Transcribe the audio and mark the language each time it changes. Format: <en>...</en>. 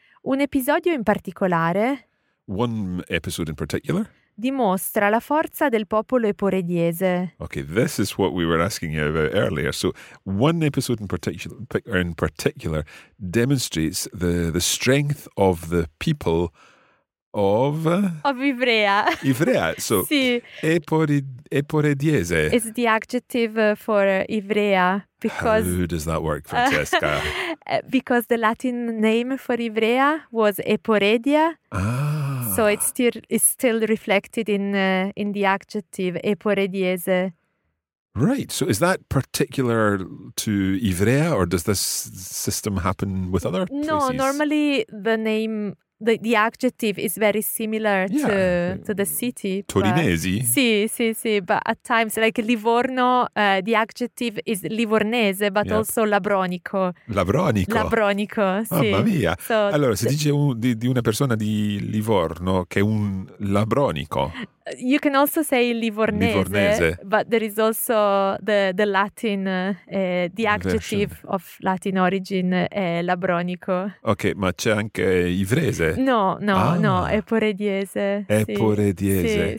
<it>Un episodio in particolare.</it> <en>One episode in particular.</en> <it>Dimostra la forza del popolo eporediese.</it> <en>Okay, this is what we were asking you about earlier. So, one episode in particular demonstrates the strength of the people of Ivrea. Ivrea. So,</en> <it>sì. Eporediese.</it> <en>It's the adjective for Ivrea. Because, how does that work, Francesca? Because the Latin name for Ivrea was Eporedia. Ah. So it's still reflected in the adjective eporediese. Right. So is that particular to Ivrea, or does this system happen with other places? No, normally the name, the adjective is very similar yeah. to the city.</en> <it>Torinesi.</it> <en>But,</en> <it>sì, sì, sì.</it> <en>But at times, like Livorno, the adjective is Livornese, but yep. also Labronico. Labronico.</en> <it>Labronico, sì. Mamma mia. So, allora, si dice di una persona di Livorno che è un Labronico.</it> <en>You can also say Livornese. But there is also the Latin, the adjective version. Of Latin origin, Labronico.</en> <it>Okay, ma c'è anche Ivrese. No, no, ah. no, eporediese. Eporediese.</it>